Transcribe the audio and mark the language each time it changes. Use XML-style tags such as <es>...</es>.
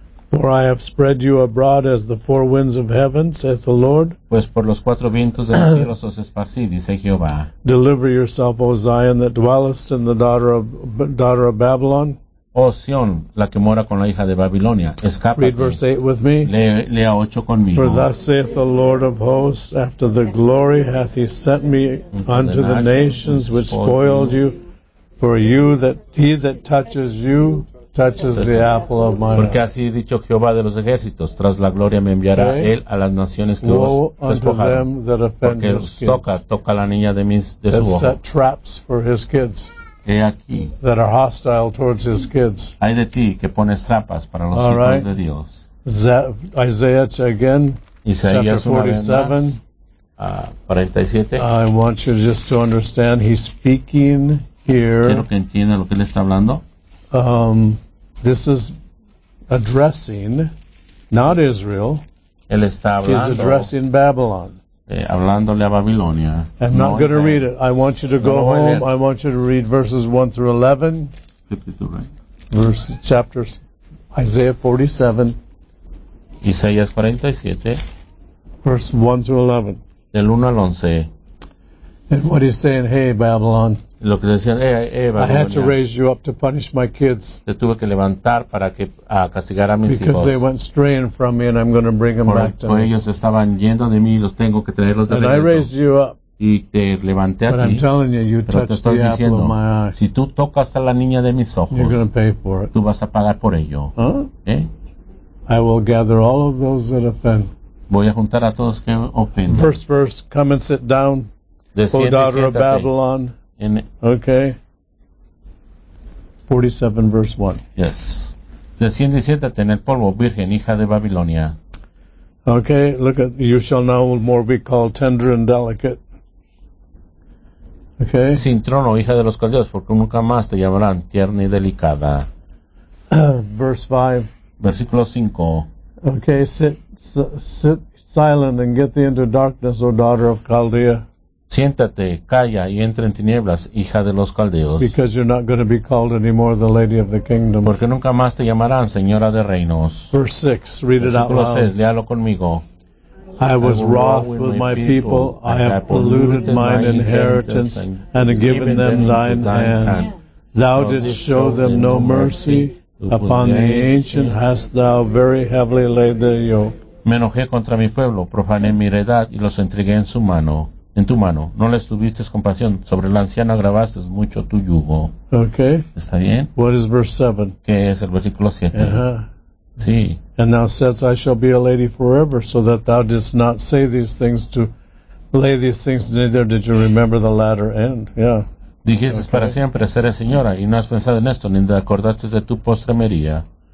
<en>For I have spread you abroad as the four winds of heaven, saith the Lord.</en> <es>Pues por los cuatro vientos de los cielos os esparcí, dice Jehová.</es> <en>Deliver yourself, O Zion, that dwellest in the daughter of Babylon.</en> <es>Oh, Sion, la que mora con la hija de Babilonia, escápate.</es> <en>Read verse 8 with me.</en> <es>Lea 8 conmigo.</es> <en>For thus saith the Lord of hosts, after the glory hath he sent me unto the nations which spoiled you, for you that he that touches you touches the apple of my eye.</en> <es>Porque así ha dicho Jehová de los ejércitos, tras la gloria me enviará él a las naciones que os despojaron. Porque toca la niña de mis de su ojo.</es> <en>Set traps for his kids.</en> <es>He aquí.</es> <en>That are hostile towards his kids.</en> <es>Hay de ti que pones trampas para los hijos</es> <en>right.</en> <es>de Dios.</es> <en>Isaiah again.</en> <es>Isaías 47. 47.</es> <en>I want you just to understand he's speaking here.</en> <es>Quiero que entienda lo que él está hablando.</es> <en>This is addressing not Israel.</en> <es>Él está hablando.</es> <en>He's addressing Babylon.</en> <es>Hablándole a Babilonia.</es> <en>I'm not going to read it. I want you to go home. I want you to read verses 1 through 11. Verses, chapters, Isaiah 47.</en> <es>Isaías 47.</es> <en>Verse 1 through 11.</en> <es>Del 1 al 11.</es> <en>And what he's saying, hey, Babylon.</en> <es>Lo que decían, hey, Babylon.</es> <en>I had to raise you up to punish my kids.</en> <es>Te tuve que levantar para que a castigar a mis</es> <en>because</en> <es>hijos.</es> <en>Because they went straying from me, and I'm going to bring them back to me.</en> <es>Por ellos estaban yendo de mí, los tengo que traerlos de</es> <en>and</en> <es>regreso.</es> <en>And I raised you up.</en> <es>Y te levanté</es> <en>but</en> <es>a ti.</es> <en>But I'm telling you, you touched the apple of my eye.</en> <es>Si tú tocas a la niña de mis ojos,</es> <en>you're going to pay for it.</en> <es>Tú vas a pagar por ello. Huh? ¿Eh?</es> <en>I will gather all of those that offend.</en> <es>Voy a juntar a todos que ofenden.</es> <en>First verse, come and sit down.</en> <es>Desciende,</es> <en>o daughter</en> <es>siéntate.</es> <en>Of Babylon. In, okay. 47 verse 1. Yes.</en> <es>Desciende y siéntate en el polvo, virgen, hija de Babilonia.</es> <en>Okay, look at, you shall no more be called tender and delicate. Okay.</en> <es>Sin trono, hija de los caldeos, porque nunca más te llamarán tierna y delicada.</es> <en>Verse</en> <es>5. Versículo 5.</es> <en>Okay, sit silent and get thee into darkness, O daughter of Chaldea.</en> <es>Siéntate, calla y entra en tinieblas, hija de los caldeos.</es> <en>Because you're not going to be called anymore the lady of the kingdom.</en> <es>Porque nunca más te llamarán señora de reinos.</es> <en>Verse 6, read it out loud.</en> <es>Versículo 6, léalo conmigo.</es> <en>I was wroth with my people. I have polluted mine inheritance and given them thine hand. Thou didst show them no mercy. Upon the ancient hast thou very heavily laid their yoke.</en> <es>Me enojé contra mi pueblo, profané mi heredad y los entregué en su mano. En tu mano, no les tuviste compasión. Sobre la anciana grabaste mucho tu yugo.</es> <en>Okay.</en> <es>¿Está bien?</es> <en>What is verse 7?</en> <es>¿Qué es el versículo 7?</es> <en>Uh-huh.</en> <es>Sí.</es> <en>And thou saidst, I shall be a lady forever, so that thou didst not say these things to lay these things, neither did you remember the latter end. Yeah.</en> <es>Dijiste, okay. Para siempre seré señora, y no has pensado en esto, ni te acordaste de tu postremería.</es>